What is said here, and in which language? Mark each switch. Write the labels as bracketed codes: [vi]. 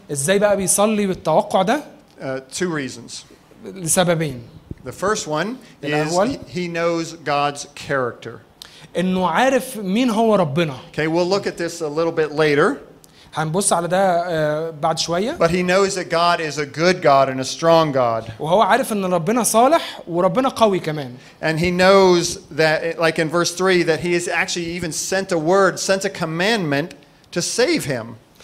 [ar] إزاي بقى بيصلي بالتوقع ده? [en] Two reasons. [ar] لسببين. [en] The first one is he knows God's character. [ar] إنه عارف مين هو ربنا. [en] Okay, we'll look at this a little bit later. [ar] هنبص على ده بعد شوية. [en] But he knows that God is a good God and a strong God. [ar] وهو عارف إن ربنا صالح وربنا قوي كمان. [en] And he knows that, like in verse 3, that he has actually even sent a word, sent a commandment to save him.